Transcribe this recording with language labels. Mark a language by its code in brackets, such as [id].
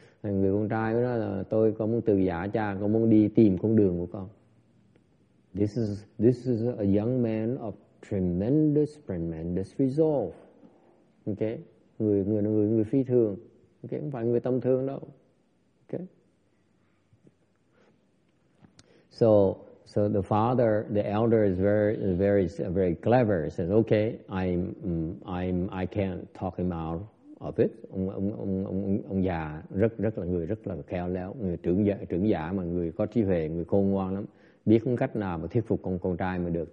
[vi] Người con trai mới nói là tôi có muốn từ giả cha, con muốn đi tìm con đường của con. [en] This is a young man of tremendous resolve. [vi] Okay, người phi thường. Okay, không phải người tâm thường đâu. [en] Okay. So the father, the elder is very clever. He says, okay, I can't talk him out of it. [vi] Ông già rất là khéo léo, người trưởng giả mà người có trí huệ, người khôn ngoan lắm. Biết không cách nào mà thuyết phục con trai mà được.